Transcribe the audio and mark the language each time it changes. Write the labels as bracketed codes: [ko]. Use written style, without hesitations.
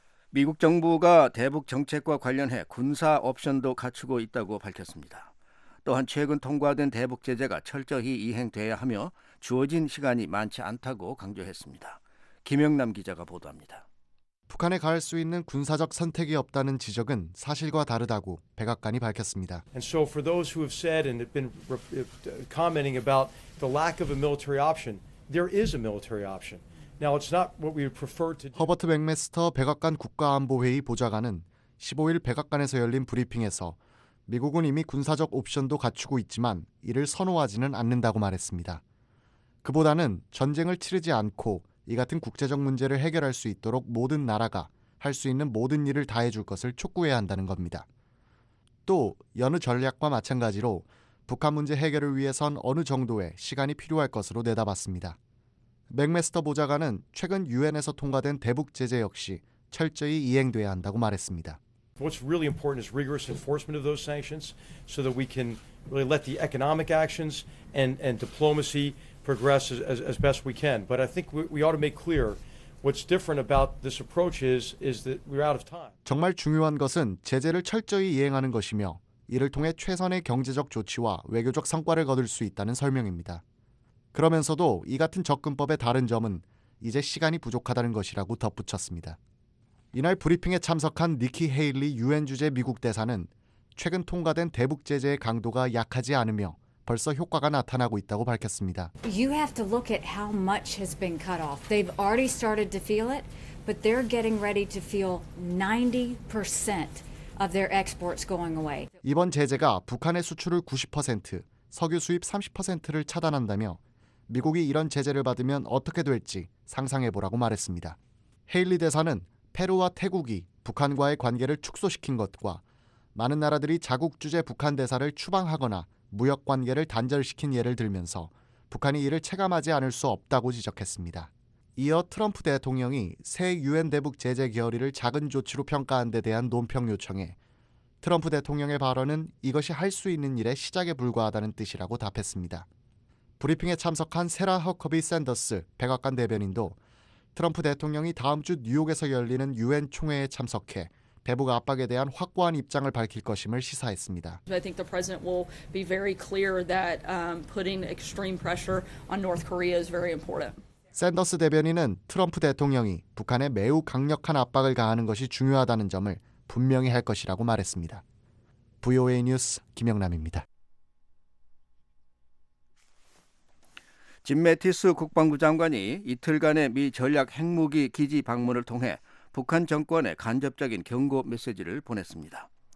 [ko] 미국 정부가 대북 정책과 관련해 군사 옵션도 갖추고 있다고 밝혔습니다. 또한 최근 통과된 대북 제재가 철저히 이행돼야 하며 주어진 시간이 많지 않다고 강조했습니다. 김영남 기자가 보도합니다. 북한에 가할 수 있는 군사적 선택이 없다는 지적은 사실과 다르다고 백악관이 밝혔습니다. [en] And so for those who have said and have been commenting about the lack of a military option, there is a military option. Now it's not what we prefer to. [ko] 허버트 맥메스터 백악관 국가안보회의 보좌관은 15일 백악관에서 열린 브리핑에서 미국은 이미 군사적 옵션도 갖추고 있지만 이를 선호하지는 않는다고 말했습니다. 그보다는 전쟁을 치르지 않고 이 같은 국제적 문제를 해결할 수 있도록 모든 나라가 할 수 있는 모든 일을 다해줄 것을 촉구해야 한다는 겁니다. 또 여느 전략과 마찬가지로 북한 문제 해결을 위해선 어느 정도의 시간이 필요할 것으로 내다봤습니다. 맥메스터 보좌관은 최근 유엔에서 통과된 대북 제재 역시 철저히 이행돼야 한다고 말했습니다. [en] What's really important is rigorous enforcement of those sanctions so that we can really let the economic actions and diplomacy progress as best we can. But I think we ought to make clear what's different about this approach is that we're out of time. [ko] 정말 중요한 것은 제재를 철저히 이행하는 것이며 이를 통해 최선의 경제적 조치와 외교적 성과를 거둘 수 있다는 설명입니다. 그러면서도 이 같은 접근법의 다른 점은 이제 시간이 부족하다는 것이라고 덧붙였습니다. 이날 브리핑에 참석한 니키 헤일리 유엔 주재 미국 대사는 최근 통과된 대북 제재의 강도가 약하지 않으며 벌써 효과가 나타나고 있다고 밝혔습니다. [en] You have to look at how much has been cut off. They've already started to feel it, but they're getting ready to feel 90% of their exports going away. [ko] 이번 제재가 북한의 수출을 90%, 석유 수입 30%를 차단한다며 미국이 이런 제재를 받으면 어떻게 될지 상상해보라고 말했습니다. 헤일리 대사는 페루와 태국이 북한과의 관계를 축소시킨 것과 많은 나라들이 자국 주재 북한 대사를 추방하거나 무역 관계를 단절시킨 예를 들면서 북한이 이를 체감하지 않을 수 없다고 지적했습니다. 이어 트럼프 대통령이 새 유엔 대북 제재 결의를 작은 조치로 평가한 데 대한 논평 요청에 트럼프 대통령의 발언은 이것이 할 수 있는 일의 시작에 불과하다는 뜻이라고 답했습니다. 브리핑에 참석한 세라 허커비 샌더스 백악관 대변인도 트럼프 대통령이 다음 주 뉴욕에서 열리는 유엔 총회에 참석해 대북 압박에 대한 확고한 입장을 밝힐 것임을 시사했습니다. [en] I think the president will be very clear that putting extreme pressure on North Korea is very important. [ko] 샌더스 대변인은 트럼프 대통령이 북한에 매우 강력한 압박을 가하는 것이 중요하다는 점을 분명히 할 것이라고 말했습니다. VOA 뉴스 김영남입니다. 짐 매티스 국방부 장관이 이틀간의 미 전략 핵무기 기지 방문을 통해 북한 정권에 간접적인 경고 메시지를 보냈습니다.